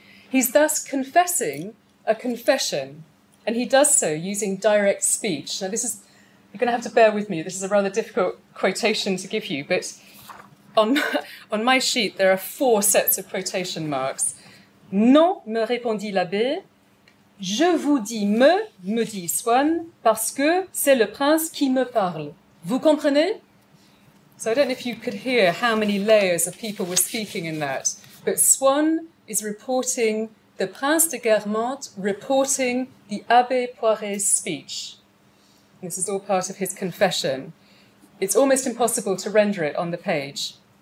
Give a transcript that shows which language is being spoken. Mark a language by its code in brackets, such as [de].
[en] He's thus confessing a confession, and he does so using direct speech. Now, this is, you're going to have to bear with me. This is a rather difficult quotation to give you, but on my sheet, there are four sets of quotation marks. [fr] Non, me répondit l'abbé. Je vous dis me dit Swan, parce que c'est le prince qui me parle. Vous comprenez? [en] So I don't know if you could hear how many layers of people were speaking in that, but Swan is reporting the Prince de Guermantes reporting the Abbé Poiret's speech. This is all part of his confession. It's almost impossible to render it on the page.